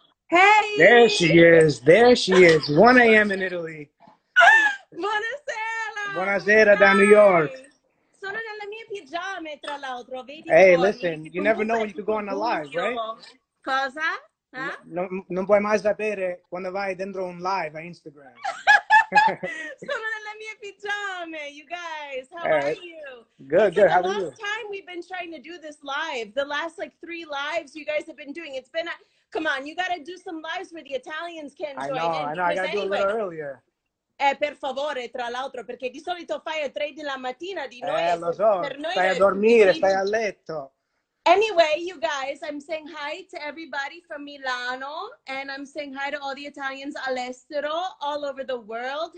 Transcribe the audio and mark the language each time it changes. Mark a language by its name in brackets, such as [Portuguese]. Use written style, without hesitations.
[English] Hey! There she is. There she is. 1 a.m. in Italy. [Italian] Buonasera! Buonasera da New York. Sono nelle mie pigiame, tra l'altro. [English] Hey, listen, you never know when you can go on a live, right? [Italian] Cosa? Non puoi mai sapere quando vai dentro un live a Instagram. Sono nelle mie pigiame, [English] you guys. How are you? Good. How are you? The last time we've been trying to do this live, the last, like, three lives you guys have been doing, it's been... Come on, you got to do some lives where the Italians can join I know, I got to do a little earlier. [Italian] Per favore, tra l'altro, perché di solito fai a 3 della mattina di noi. Lo so, per noi stai a dormire, stai a letto. [English] Anyway, you guys, I'm saying hi to everybody from Milano, and I'm saying hi to all the Italians all'estero, all over the world.